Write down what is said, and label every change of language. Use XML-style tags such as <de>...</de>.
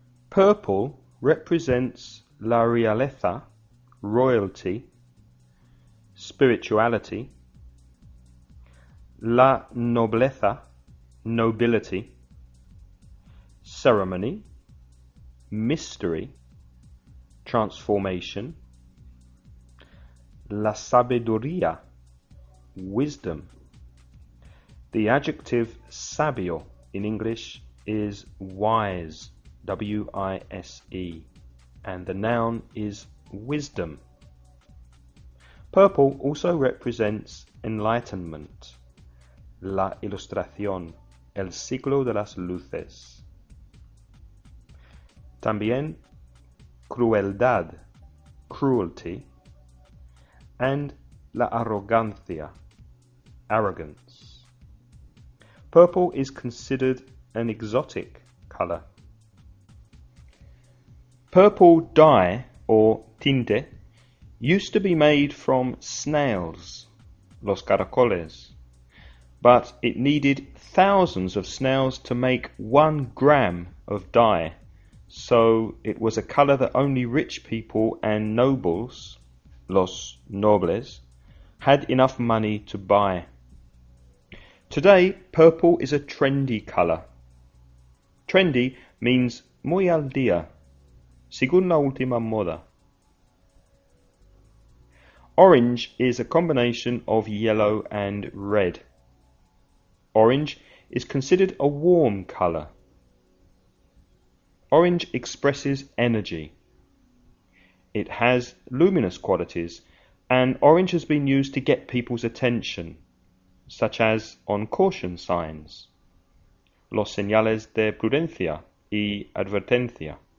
<en>Purple represents la realeza, royalty, spirituality, la nobleza, nobility, ceremony, mystery, transformation, la sabiduría, wisdom. The adjective sabio in English is wise, w-i-s-e, and the noun is wisdom. Purple also represents enlightenment, la ilustración, el siglo de las luces.</en> <es>También crueldad, cruelty, and la arrogancia, arrogance.</es> <en>Purple is considered an exotic color. Purple dye, or tinte, used to be made from snails, los caracoles, but it needed thousands of snails to make 1 gram of dye, so it was a color that only rich people and nobles, los nobles, had enough money to buy. Today, purple is a trendy color.</en> <es>Trendy means muy al día, según la última moda.</es> <en>Orange is a combination of yellow and red. Orange is considered a warm color. Orange expresses energy. It has luminous qualities, and orange has been used to get people's attention, such as on caution signs, los señales de prudencia y advertencia.</en>